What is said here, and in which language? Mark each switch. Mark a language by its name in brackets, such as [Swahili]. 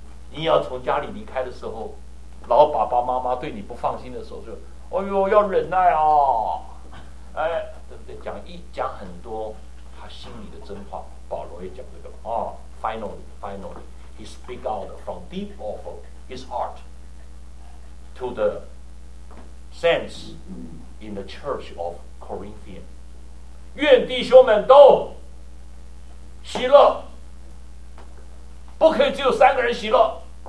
[Chinese] 你要从家里离开的时候，老爸爸妈妈对你不放心的时候，就哎呦要忍耐啊，哎，对不对？讲一讲很多他心里的真话，保罗也讲这个啊。 [English] Finally, he speak out from deep of his heart to the saints in the church of Corinthian. [Chinese] 愿弟兄们都喜乐，不可以只有三个人喜乐。